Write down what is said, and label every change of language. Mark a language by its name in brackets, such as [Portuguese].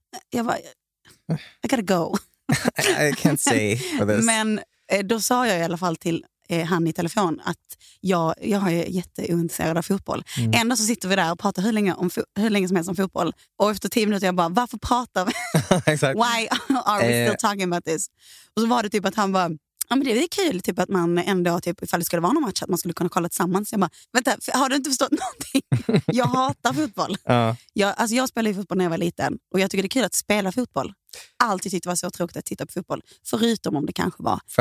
[Swedish] Jag bara... [English] I gotta go. I can't say for this. [Swedish] Men då sa jag i alla fall till han i telefon att jag är jätteointresserad av fotboll. Mm. Ändå så sitter vi där och pratar hur länge som helst om fotboll. Och efter 10 minuter jag bara, varför pratar vi? [English] Why are we still talking about this? [Swedish] Och så var det typ att han bara, ja men det är kul typ att man ändå, typ, ifall det skulle vara någon match, att man skulle kunna kolla tillsammans. Jag bara, vänta, har du inte förstått någonting? Jag hatar fotboll. Jag spelade fotboll när jag var liten och jag tycker det är kul att spela fotboll. Alltid tyckte det var så tråkigt att titta på fotboll. Förutom om det kanske var